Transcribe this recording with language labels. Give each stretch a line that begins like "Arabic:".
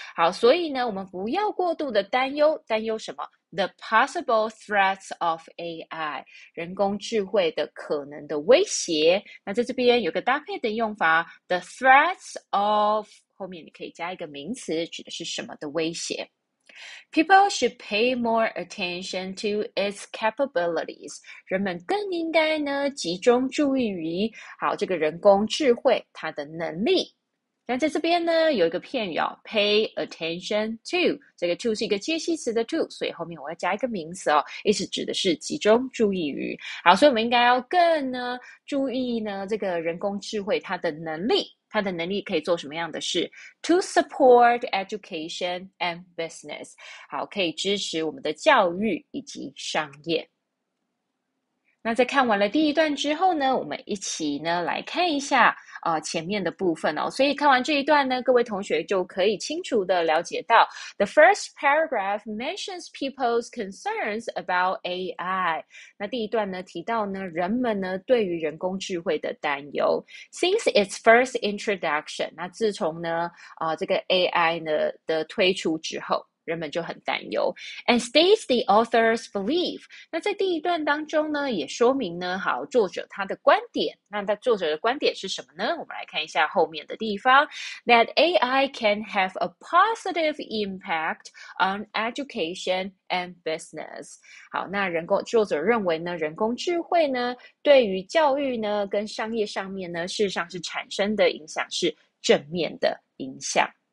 Chinese: 好，所以呢，我们不要过度的担忧，担忧什么？
English: The possible threats of AI，
Chinese: 人工智慧的可能的威胁。那在这边有个搭配的用法，
English: the threats of，
Chinese: 后面你可以加一个名词，指的是什么的威胁。
English: People should pay more attention to its capabilities。
Chinese: 人们更应该呢集中注意于好这个人工智慧它的能力。那在这边呢，有一个片语哦，
English: pay attention to，
Chinese: 这个 to 是一个介系词的 to，所以后面我要加一个名词哦，意思指的是集中注意于。好，所以我们应该要更呢注意呢这个人工智慧它的能力，它的能力可以做什么样的事？
English: To support education and business，
Chinese: 好，可以支持我们的教育以及商业。那在看完了第一段之后呢，我们一起呢来看一下前面的部分哦。所以看完这一段呢，各位同学就可以清楚的了解到，
English: the first paragraph mentions people's concerns about AI。
Chinese: 那第一段呢提到呢，人们呢对于人工智慧的担忧。
English: Since its first introduction，
Chinese: 那自从呢这个 AI 呢的推出之后。人们就很担忧，
English: and states the author's belief。
Chinese: 那在第一段当中呢，也说明呢，好，作者他的观点。那他作者的观点是什么呢？我们来看一下后面的地方，
English: that AI can have a positive impact on education and business。
Chinese: 好，那作者认为呢，人工智慧呢，对于教育呢，跟商业上面呢，事实上是产生的影响是正面的影响。